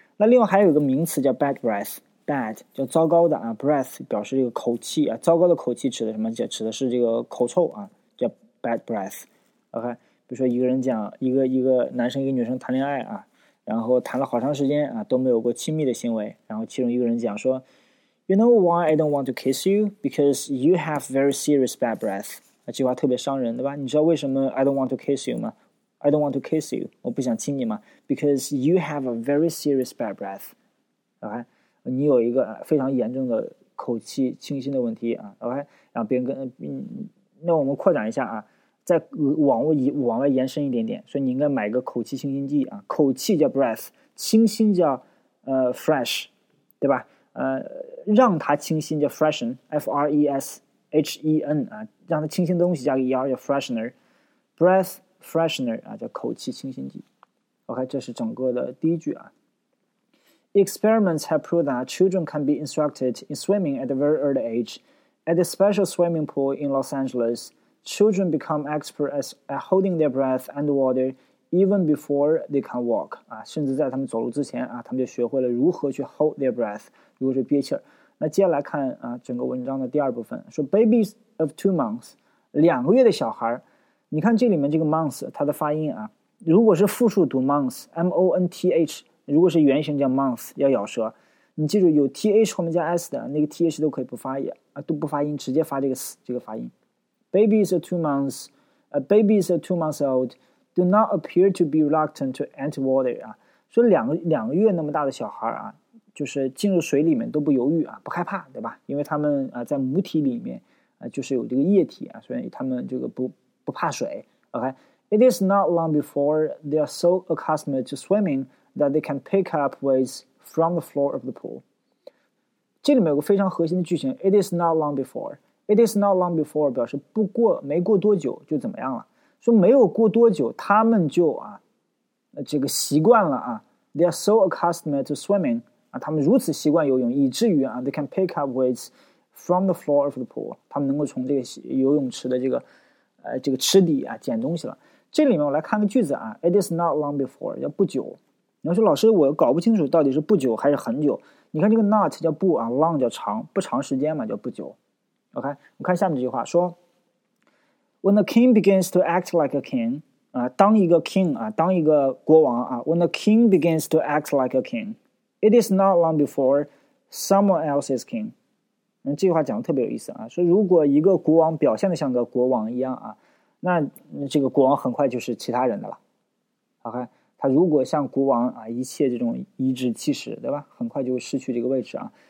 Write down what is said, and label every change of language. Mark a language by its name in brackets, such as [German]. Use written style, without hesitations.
[Chinese] 那另外还有一个名词叫 bad breath，bad 叫糟糕的啊 ，breath 表示这个口气啊，糟糕的口气指的什么？指的是这个口臭啊，叫 bad breath。OK， 比如说一个人讲一个男生跟女生谈恋爱啊，然后谈了好长时间啊，都没有过亲密的行为，然后其中一个人讲说。 [English] You know why I don't want to kiss you? Because you have very serious bad breath. [Chinese] 这句话特别伤人，对吧？你知道为什么 [English] I don't want to kiss you [Chinese] 吗？ [English] I don't want to kiss you. [Chinese] 我不想亲你吗？ [English] Because you have a very serious bad breath. [Chinese] OK， 你有一个非常严重的口气清新的问题啊。 OK， 然后别人跟那我们扩展一下啊，再往外延伸一点点，所以你应该买个口气清新剂啊。口气叫 breath， 清新叫fresh， 对吧？让它清新叫 freshen，F-R-E-S-H-E-N 啊，让它清新的东西加个 E-R 叫 freshener，breath freshener 啊，叫口气清新剂。 OK， 这是整个的第一句啊。 [English] Experiments have proved that children can be instructed in swimming at a very early age. At a special swimming pool in Los Angeles, children become expert at holding their breath underwater even before they can walk 啊， [Chinese] 甚至在他们走路之前啊，他们就学会了如何去 [English] hold their breath。 [Chinese] 如果是憋气儿，那接下来看啊，整个文章的第二部分说 ， [English] babies of 2 months， [Chinese] 两个月的小孩，你看这里面这个 months 它的发音啊，如果是复数读 months，m o n t h， 如果是原形叫 month， 要咬舌，你记住有 t h 后面加 s 的那个 t h 都可以不发音啊，都不发音，直接发这个 s 这个发音。 [English] Babies of 2 months， babies of 2 months old do not appear to be reluctant to enter water 啊， [Chinese] 说两个月那么大的小孩啊。就是进入水里面都不犹豫啊，不害怕，对吧？因为他们啊在母体里面啊就是有这个液体啊，所以他们这个不怕水。 [English] OK， it is not long before they are so accustomed to swimming that they can pick up weights from the floor of the pool. [Chinese] 这里面有个非常核心的句型 ，it is not long before. It is not long before 表示没过多久就怎么样了，说没有过多久他们就啊这个习惯了啊 ， [English] they are so accustomed to swimming. [Chinese] 啊，他们如此习惯游泳，以至于啊 [English] ，they can pick up weights from the floor of the pool。 [Chinese] 他们能够从这个游泳池的这个池底啊捡东西了。这里面我来看个句子啊 ， [English] it is not long before， [Chinese] 叫不久。你要说老师，我搞不清楚到底是不久还是很久。你看这个 not 叫不啊 ，long 叫长，不长时间嘛叫不久。 [English] OK， [Chinese] 我看下面这句话说 [English] ，When a king begins to act like a king，啊， [Chinese] 当一个 king 啊，当一个国王啊 [English] ，when the king begins to act like a king, it is not long before someone else is king。 [Chinese] 嗯，这句话讲的特别有意思啊，说如果一个国王表现的像个国王一样啊，那这个国王很快就是其他人的了。 OK， 他如果像国王啊，一切这种颐指气使，对吧？很快就会失去这个位置啊。